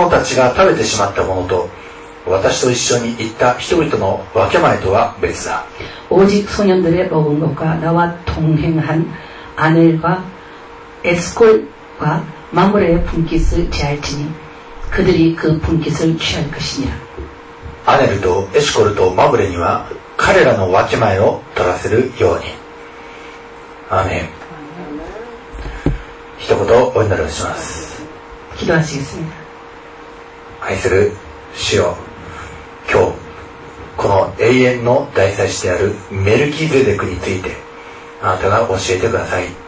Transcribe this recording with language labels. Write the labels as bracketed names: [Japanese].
[Japanese] ただ若者たちが食べてしまったものと 私と一緒に行った人々の分け前とは別だ。 [Korean] 오직 소년들의 먹은 것과 나와 동행한 아넬과 에스콜과 마므레의 분깃을 제할지니 그들이 그 분깃을 취할 것이니라. 아넬도 에스콜도 마므레 [Japanese] には 彼らの 分け前を 取らせるように。 아멘。 一言 お祈りします。 [Korean] 기도하시겠습니다. [Japanese] 愛する主よ、 今日この永遠の大祭司であるメルキゼデクについてあなたが教えてください。